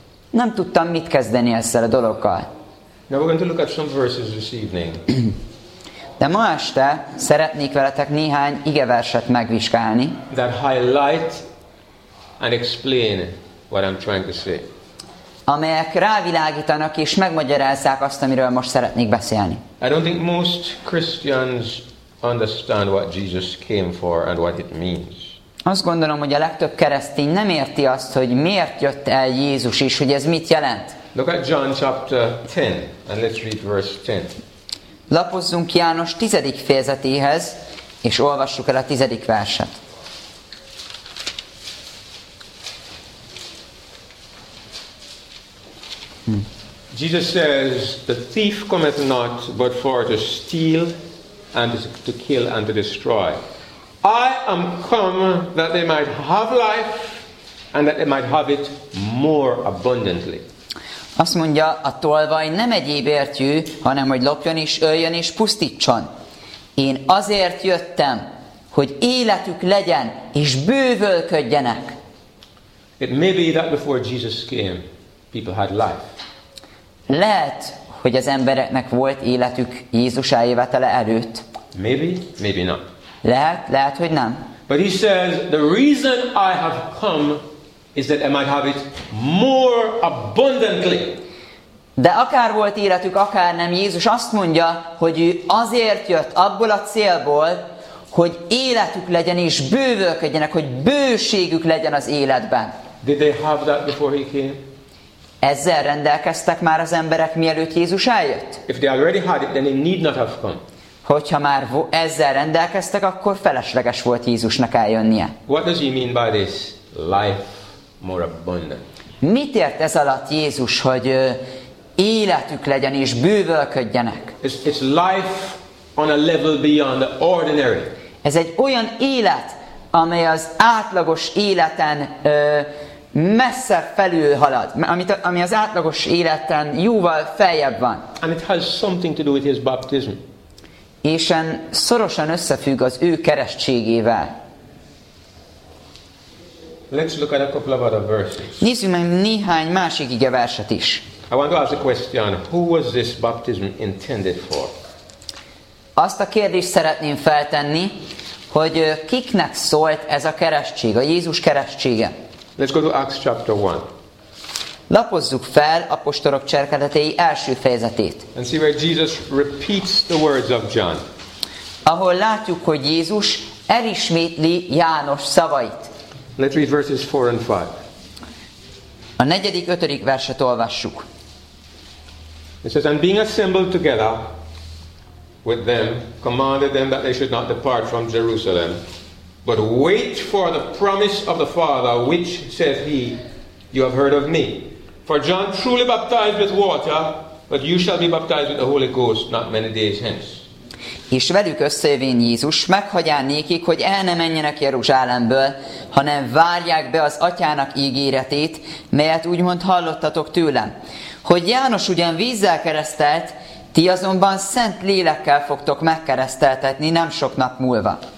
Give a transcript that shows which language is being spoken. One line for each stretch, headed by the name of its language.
Hungarian: Nem tudtam mit kezdeni ezzel a dologgal.
English: Now we're going to look at some verses this evening.
Hungarian: De ma este szeretnék veletek néhány igeverset megvizsgálni.
English: That highlight and explain what I'm trying to say.
Hungarian: Amelyek rávilágítanak és megmagyarázzák azt, amiről most szeretnék beszélni.
English: I don't think most Christians understand what Jesus came for and what it means.
Hungarian: Azt gondolom, hogy a legtöbb keresztény nem érti azt, hogy miért jött el Jézus is, hogy ez mit jelent.
English: Look at John chapter 10 and let's read verse 10.
Hungarian: Lapozzunk János 10. fejezetéhez és olvassuk el a 10. verset.
English: Jesus says, "The thief cometh not but for to steal and to kill and to destroy. I am come that they might have life and that they might have it more abundantly."
Hungarian: Azt mondja, a tolvaj nem egyébért jő, hanem hogy lopjon és öljön és pusztítson. Én azért jöttem, hogy életük legyen és bővölködjenek.
English: It may be that before Jesus came, people had life.
Hungarian: Lehet, hogy az embereknek volt életük Jézus eljövetele előtt.
English: Maybe, maybe not.
Hungarian: Lehet, hogy nem.
English: But he says, "The reason I have come is that I might have it more abundantly."
Hungarian: De akár volt életük, akár nem, Jézus azt mondja, hogy ő azért jött abból a célból, hogy életük legyen és bővölködjenek, hogy bőségük legyen az életben.
English: Did they have that before he came?
Hungarian: Ezzel rendelkeztek már az emberek, mielőtt Jézus eljött?
English: If they already had it, then they need not have come.
Hungarian: Hogyha már ezzel rendelkeztek, akkor felesleges volt Jézusnak eljönnie.
English: What does he mean by this? Life more abundant.
Hungarian: Mit ért ez alatt Jézus, hogy életük legyen és bővölködjenek?
English: It's life on a level beyond the ordinary.
Hungarian: Ez egy olyan élet, amely az átlagos életen messze felül halad, ami az átlagos életen jóval feljebb van.
English: And it has something to do with his baptism.
Hungarian: És en szorosan összefügg az ő keresztségével.
English: Let's look at a couple of other verses.
Hungarian: Nézzük meg néhány másik igeverset is.
English: I want to ask a question. Who was this baptism intended for?
Hungarian: Azt a kérdést szeretném feltenni, hogy kiknek szólt ez a keresztség, a Jézus keresztsége?
English: Let's go to Acts chapter 1.
Hungarian: Lapozzuk fel Apostolok cselekedetei első fejezetét.
English: And see where Jesus repeats the words of John.
Hungarian: Ahol látjuk, hogy Jézus elismétli János szavait.
English: Let's read verses 4 and 5.
Hungarian: A 4. 5. verset olvassuk.
English: It says, "And being assembled together with them, commanded them that they should not depart from Jerusalem, but wait for the promise of the Father, which, saith he, you have heard of me. For John truly baptized with water, but you shall be baptized with the Holy Ghost not many days hence."
Hungarian: És velük összejövén Jézus, meghagyján nékik, hogy el ne menjenek Jeruzsálemből, hanem várják be az Atyának ígéretét, melyet úgymond hallottatok tőlem. Hogy János ugyan vízzel keresztelt, ti azonban szent lélekkel fogtok megkereszteltetni nem sok nap múlva.